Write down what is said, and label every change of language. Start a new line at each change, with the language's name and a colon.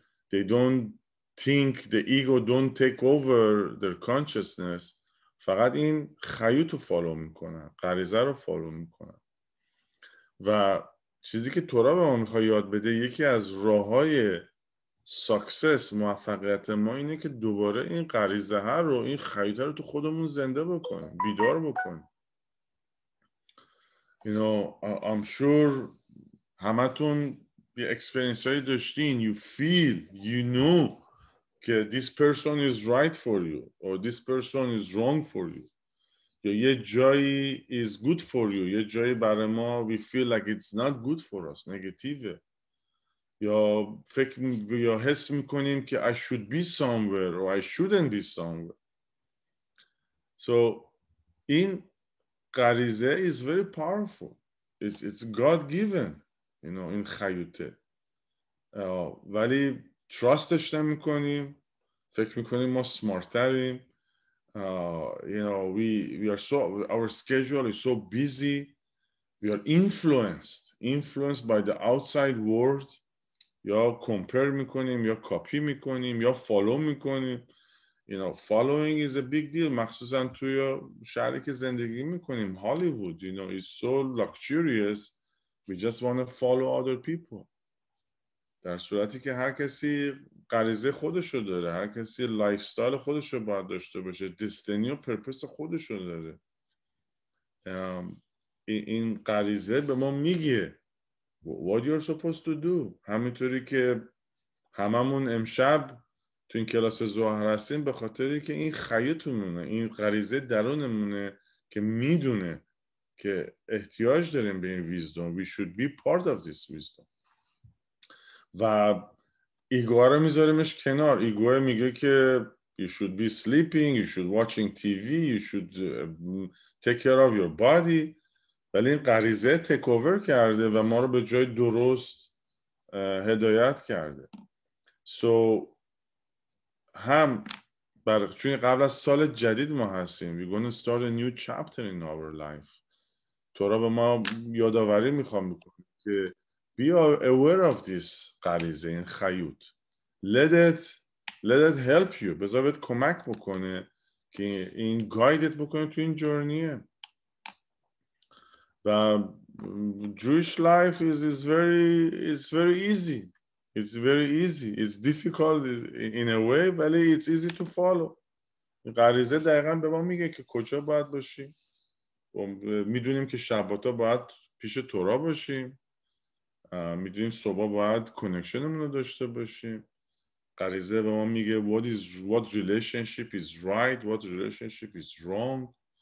English: They don't think, the ego don't take over their consciousness.
Persian: فقط این خیوت رو فالو میکنن، غریزه رو فالو میکنن. و چیزی که تورا به ما میخواد یاد بده، یکی از راه‌های ساکسس، موفقیت ما، اینه که دوباره این غریزه ها رو، این خیوت رو تو خودمون زنده بکنیم، بیدار بکنیم.
English: You know, I'm sure
Persian: همتون یه اکسپرینسی هایی داشتین،
English: you feel, you know که this person is right for you or this person is wrong for you،
Persian: یا یه جایی
English: is good for you،
Persian: یه جایی برای ما
English: we feel like it's not good for us،
Persian: نگتیوه، یا فکر یا حس میکنیم که
English: I should be somewhere or I shouldn't be somewhere. So
Persian: این غریزه
English: is very powerful. it's God given, you know, in Chayute.
Persian: ولی trustش نمی‌کنیم، فکر می‌کنیم ما smartریم.
English: You know, we are so, our schedule is so busy. We are influenced by the outside world.
Persian: یا compare می‌کنیم، یا copy می‌کنیم، یا follow می‌کنیم.
English: You know, following is a big deal,
Persian: مخصوصا توی شهری که زندگی میکنیم.
English: Hollywood, you know, is so luxurious. We just want to follow other people.
Persian: در صورتی که هر کسی غریزه خودشو داره. هر کسی لایفستایل خودشو باید داشته باشه. Destiny و purpose خودشو داره. این غریزه به ما میگه.
English: What you're supposed to do?
Persian: همینطوری که هممون امشب تو این کلاس ظهر هستیم به خاطری که این خیتونه، این غریزه درونمونه که میدونه که احتیاج داریم به این wisdom.
English: We should be part of this wisdom.
Persian: و ایگو رو میذاریمش کنار. ایگو میگه که
English: you should be sleeping, you should watching TV, you should take care of your body.
Persian: ولی این غریزه take over کرده و ما رو به جای درست هدایت کرده.
English: So
Persian: هم بر چون قبل از سال جدید ما هستیم,
English: we gonna start a new chapter in our life.
Persian: تو را به ما یادآوری میخوام بکنم که
English: be aware of this
Persian: غریزه, این خیوت,
English: let it help you,
Persian: بذار بهت کمک بکنه که این guided بکنه تو این جورنیه.
English: و Jewish life is very easy. It's very easy. It's difficult in a way, but it's easy to follow.
Persian: غریزه دقیقاً به ما میگه که کجا باید باشیم. میدونیم که شبات‌ها باید پیش تورا باشیم. میدونیم صبح باید کانکشنمون رو داشته باشیم. غریزه به ما میگه
English: what relationship is right, what relationship is wrong.